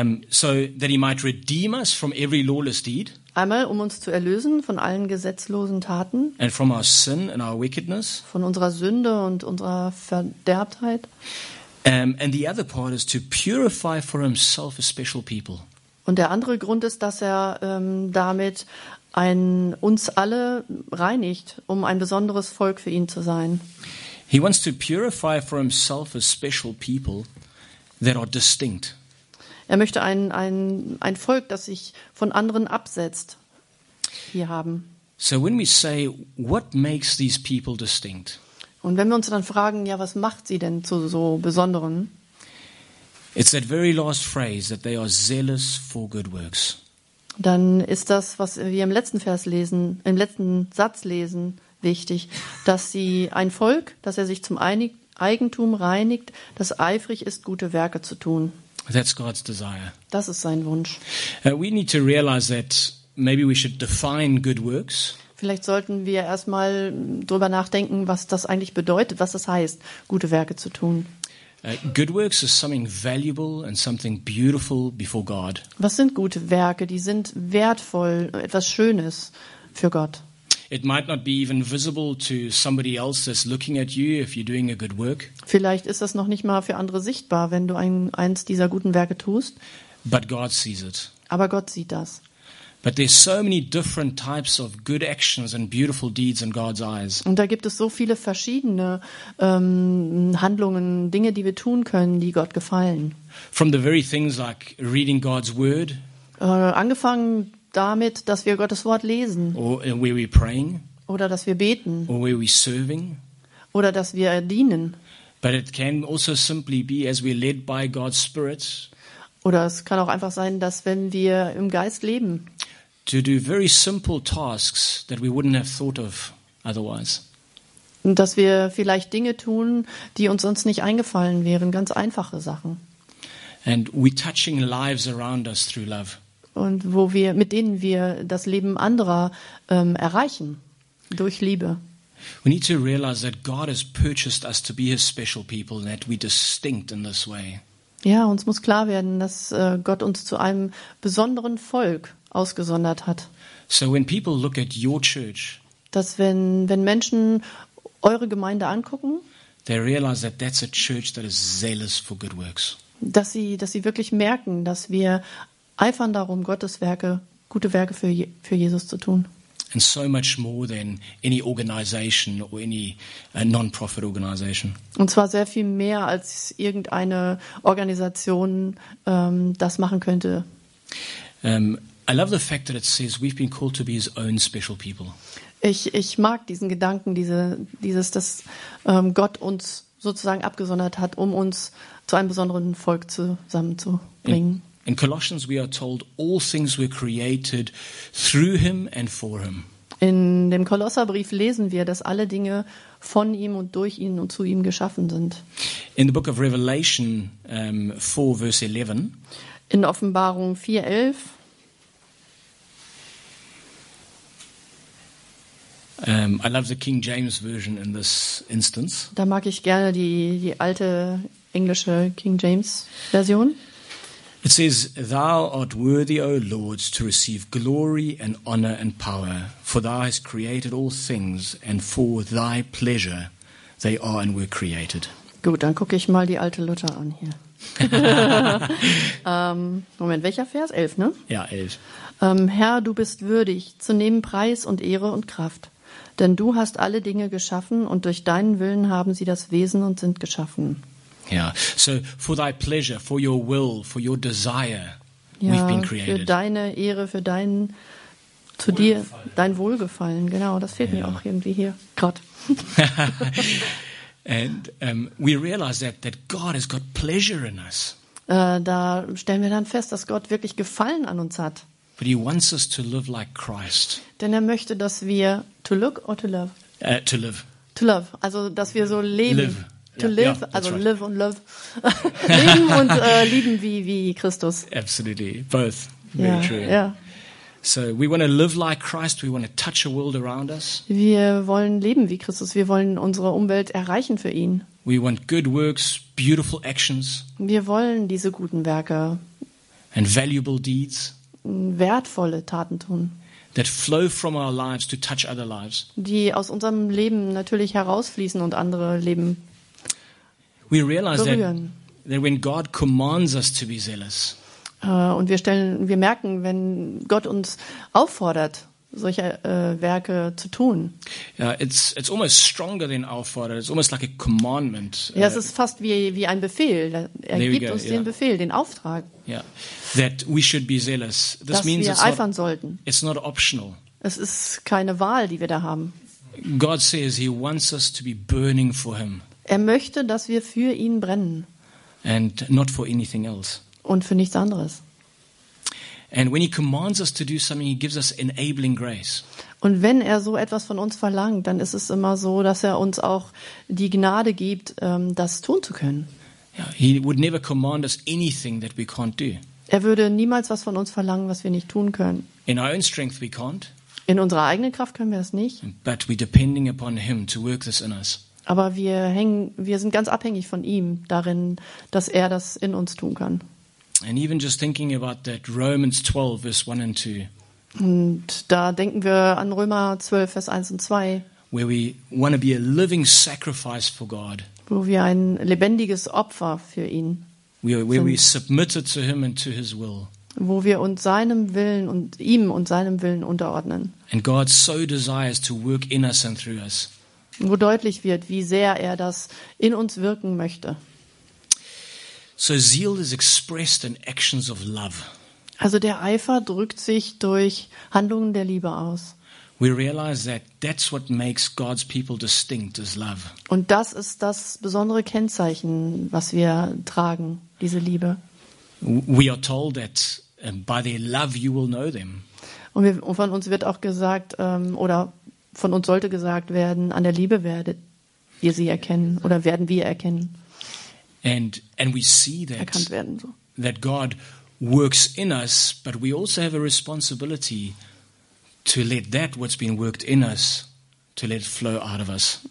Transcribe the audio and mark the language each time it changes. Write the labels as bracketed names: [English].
[English] So that he might redeem us from every lawless deed. [German] Einmal, um uns zu erlösen von allen gesetzlosen Taten. [English] And from our sin and our wickedness. [German] Von unserer Sünde und unserer Verderbtheit. [English] And the other part is to purify for himself a special people. [German] Und der andere Grund ist, dass er damit uns alle reinigt, um ein besonderes Volk für ihn zu sein. [English] He wants to purify for himself a special people that are distinct. [German] Er möchte ein Volk, das sich von anderen absetzt, hier haben. [English] So when we say, what makes these people distinct? [German] Und wenn wir uns dann fragen, ja, was macht sie denn zu so Besonderen? [English] It's that very last phrase, that they are zealous for good works. [German] dann ist das, was wir im letzten Vers lesen, im letzten Satz lesen, wichtig, dass sie ein Volk, dass er sich zum Eigentum reinigt, das eifrig ist, gute Werke zu tun. [English] That's God's desire. [German] Das ist sein Wunsch. [English] We need to realize that maybe we should define good works. [German] Vielleicht sollten wir erstmal drüber nachdenken, was das eigentlich bedeutet, was das heißt, gute Werke zu tun. [English] Good works is something valuable and something beautiful before God. [German] Was sind gute Werke? Die sind wertvoll, etwas Schönes für Gott. [English] It might not be even visible to somebody else that's looking at you if you're doing a good work. [German] Vielleicht ist das noch nicht mal für andere sichtbar, wenn du eins dieser guten Werke tust. [English] But God sees it. [German] Aber Gott sieht das. [English] But there's so many different types of good actions and beautiful deeds in God's eyes. [German] Und da gibt es so viele verschiedene Handlungen, Dinge, die wir tun können, die Gott gefallen. [English] From the very things like reading God's word. [German] Angefangen damit, dass wir Gottes Wort lesen. [English] Or where we praying. [German] Oder dass wir beten. [English] Or where we serving. [German] Oder dass wir dienen. [English] But it can also simply be as we're led by God's Spirit. [German] Oder es kann auch einfach sein, dass wenn wir im Geist leben. [English] To do very simple tasks that we wouldn't have thought of otherwise. [German] Dass wir vielleicht Dinge tun, die uns sonst nicht eingefallen wären, ganz einfache Sachen. [English] And we touching lives around us through love. [German] Und wo wir, mit denen wir das Leben anderer erreichen, durch Liebe. [English] We need to realize that God has purchased us to be his special people and that we distinct in this way. [German] Ja, uns muss klar werden, dass Gott uns zu einem besonderen Volk ausgesondert hat. [English] So when people look at your church, [German] dass wenn Menschen eure Gemeinde angucken, [English] they realize that that's a church that is zealous for good works. [German] Dass sie wirklich merken, dass wir eifern darum, Gottes Werke, gute Werke für Jesus zu tun. [English] And so much more than any organization or any non-profit organization. [German] Und zwar sehr viel mehr als irgendeine Organisation das machen könnte. [English] I love the fact that it says we've been called to be his own special people. [German] Ich mag diesen Gedanken, dass Gott uns sozusagen abgesondert hat, um uns zu einem besonderen Volk zusammenzubringen. [English] In Colossians we are told all things were created through him and for him. [German] In dem Kolosserbrief lesen wir, dass alle Dinge von ihm und durch ihn und zu ihm geschaffen sind. [English] In the book of Revelation 4 verse 11. [German] In Offenbarung 4:11. [English] I love the King James version in this instance. [German] Da mag ich gerne die alte englische King James Version. [English] It says, "Thou art worthy, O Lord, to receive glory and honor and power, for Thou hast created all things, and for Thy pleasure they are and were created." [German] Gut, dann gucke ich mal die alte Luther an hier. Moment, welcher Vers? 11, ne? Ja, 11. Herr, du bist würdig, zu nehmen Preis und Ehre und Kraft, denn du hast alle Dinge geschaffen und durch deinen Willen haben sie das Wesen und sind geschaffen. [English] Ja, so for thy pleasure, for your will, for your desire, ja, we've been created. [German] Für deine Ehre, für dein, zu dir, dein Wohlgefallen, genau, das fehlt ja. Mir auch irgendwie hier, Gott. [English] And we realize that God has got pleasure in us. [German] Da stellen wir dann fest, dass Gott wirklich Gefallen an uns hat. [English] But he wants us to live like Christ. [German] Denn er möchte, dass wir [English] to look or to love. To live. To love. [German] Also dass wir so leben. [English] Live. To yeah. live. Yeah, [German] also [English] right. [German] Live und love. Leben und lieben wie Christus. [English] Absolutely. Both. Very yeah. true. Yeah. So we want to live like Christ, we want to touch a world around us. [German] Wir wollen leben wie Christus, wir wollen unsere Umwelt erreichen für ihn. [English] We want good works, beautiful actions. [German] Wir wollen diese guten Werke. [English] And valuable deeds. [German] Wertvolle Taten tun. [English] That flow from our lives to touch other lives. [German] Die aus unserem Leben natürlich herausfließen und andere Leben. [English] We realize [German] berühren. [English] That when God commands us to be zealous. [German] Und wir merken, wenn Gott uns auffordert, solche Werke zu tun. [English] Yeah, it's almost stronger than auffordert. It's almost like a commandment. [German] Ja, es ist fast wie ein Befehl. Er gibt uns den Befehl, den Auftrag. [English] Yeah. That we should be zealous. [German] Dass [English] means [German] wir eifern sollten. [English] It's not optional. [German] Es ist keine Wahl, die wir da haben. [English] God says he wants us to be burning for him. [German] Er möchte, dass wir für ihn brennen. [English] And not for anything else. [German] Und für nichts anderes. [English] And when he commands us to do something, he gives us enabling grace. [German] Und wenn er so etwas von uns verlangt, dann ist es immer so, dass er uns auch die Gnade gibt, das tun zu können. [English] He would never command us anything that we can't do. [German] Er würde niemals was von uns verlangen, was wir nicht tun können. [English] In our own strength we can't. [German] In unserer eigenen Kraft können wir das nicht. [English] But we're depending upon him to work this in us. [German] Aber wir sind ganz abhängig von ihm darin, dass er das in uns tun kann. [English] And even just thinking about that Romans 12 verse 1 and 2. [German] Und da denken wir an Römer 12 Vers 1 und 2. [English] Where we want to be a living sacrifice for God. [German] Wo wir ein lebendiges Opfer für ihn sind. [English] We submitted to him and to his will. [German] Wo wir uns seinem Willen und ihm und seinem Willen unterordnen. [English] And God so desires to work in us and through us. [German] Wo deutlich wird, wie sehr er das in uns wirken möchte. [English] So zeal is expressed in actions of love. [German] Also der Eifer drückt sich durch Handlungen der Liebe aus. [English] We realize that that's what makes God's people distinct is love. [German] Und das ist das besondere Kennzeichen, was wir tragen, diese Liebe. [English] We are told that by their love you will know them. [German] Und von uns wird auch gesagt, oder von uns sollte gesagt werden, an der Liebe werdet ihr sie erkennen oder werden wir erkennen. [English] And we see that [German] erkannt werden, so. [English] That God works in us, but we also have a responsibility to let that what's been worked in us to let flow out of us.